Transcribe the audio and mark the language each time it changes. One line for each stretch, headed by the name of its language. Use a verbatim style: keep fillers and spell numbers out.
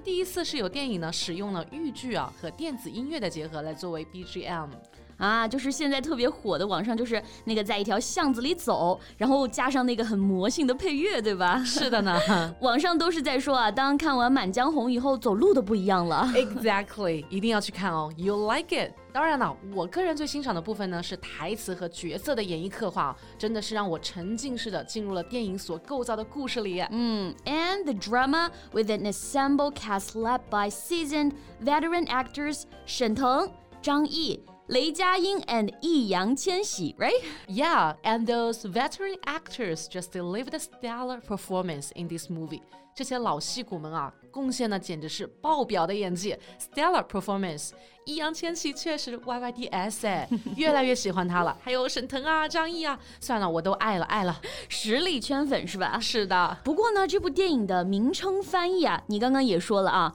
Chinese: 第一次是有电影呢使用了豫剧啊和电子音乐的结合来作为 B G M 啊，就是现在特别火的网上就是那个在一条巷子里走，然后加上那个很魔性的配乐，对吧？是的呢网上都是在说啊，当看完《满江红》以后走路都不一样了 Exactly 一定要去看哦 You like it。当然了，我个人最欣赏的部分呢是台词和角色的演绎刻画，真的是让我沉浸式的进入了电影所构造的故事里。
English: 嗯 ，and the drama with an ensemble cast led by seasoned veteran actors 沈腾、张译、雷佳音 and 易烊千玺 right? Yeah, and those veteran actors just delivered a stellar performance in this movie.
Chinese: 这些老戏骨们啊，贡献呢简直是爆表的演技 stellar performance. 易烊千玺确实 Y Y D S 哎，越来越喜欢他了。还有沈腾啊，张译啊，算了，我都爱了爱了，实力圈粉是吧？是的。不过呢，这部电影的名称翻译啊，你刚刚也说了啊，